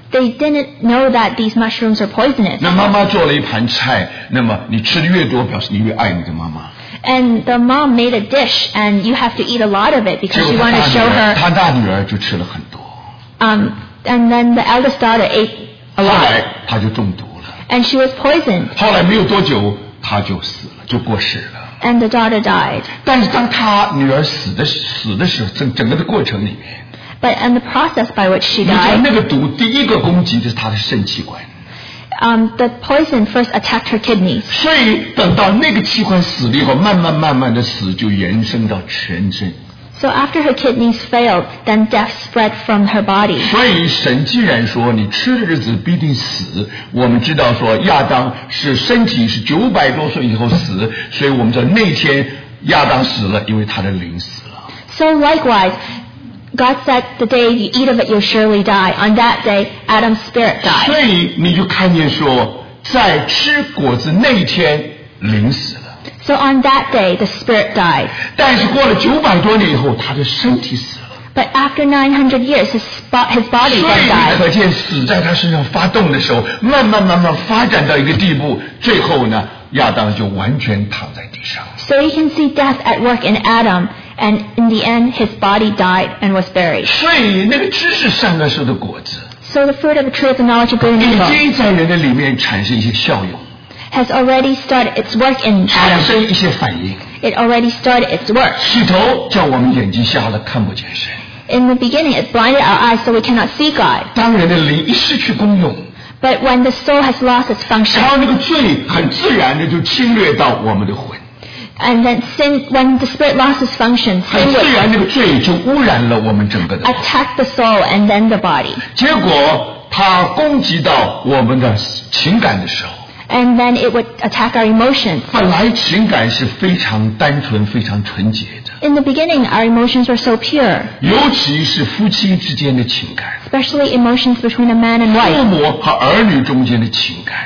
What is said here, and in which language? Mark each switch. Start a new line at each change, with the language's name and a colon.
English: They didn't know that these mushrooms are poisonous.
Chinese: 那妈妈做了一盘菜，那么你吃的越多，表示你越爱你的妈妈。
English: And the mom made a dish, and you have to eat a lot of it because you want to show her.
Chinese: 她大女儿就吃了很多。
English: And then the eldest daughter ate a lot.
Chinese: 后来她就中毒了。
English: And she was poisoned.
Chinese: 后来没有多久，她就死了，就过世了。
English: And the daughter died.
Chinese: 但是当她女儿死的时候，整个的过程里面。
English: But in the process by which she died.
Chinese: 那个毒第一个攻击就是她的肾器官。
English: The poison first attacked her kidneys.
Chinese: 所以等到那个器官死了以后，慢慢慢慢的死就延伸到全身。
English: So after her kidneys failed, then death spread from her body.
Chinese: 所以神既然说你吃的日子必定死，我们知道说亚当是身体是九百多岁以后死，所以我们知道那天亚当死了，因为他的灵死了。
English: So likewise, God said, "The day you eat of it, you'll surely die." On that day, Adam's spirit died.
Chinese: 所以你就看见说，在吃果子那天灵死了。
English: So on that day, the spirit died.
Chinese: 但是过了九百多年以后，他的身体死了。
English: But after 900 years, his body died.
Chinese: 所以可见死在他身上发动的时候，慢慢慢慢发展到一个地步，最后呢，亚当就完全躺在地上。
English: So you can see death at work in Adam, and in the end, his body died and was buried.
Chinese: 所以那个知识善恶树的果子。
English: So the fruit of the tree of the knowledge of good and evil.
Chinese: 已经在人的里面产生一些效用。
English: Has already started its work in Adam. It already started its work.
Chinese: 起头叫我们眼睛瞎了，看不见神。
English: In the beginning, it blinded our eyes so we cannot see God.
Chinese: 当人的灵一失去功用。
English: But when the soul has lost its function,
Chinese: 然后那个罪很自然地就侵略到我们的魂。
English: And then sin, when the spirit lost its function, attacked the soul and then the body.
Chinese: 结果它攻击到我们的情感的时候,
English: and then it would attack our emotions.
Chinese: 本来情感是非常单纯非常纯洁的,
English: in the beginning, our emotions were so pure.
Chinese: 尤其是夫妻之间的情感,
English: especially emotions between a man and wife.
Chinese: 父母和儿女中间的情感,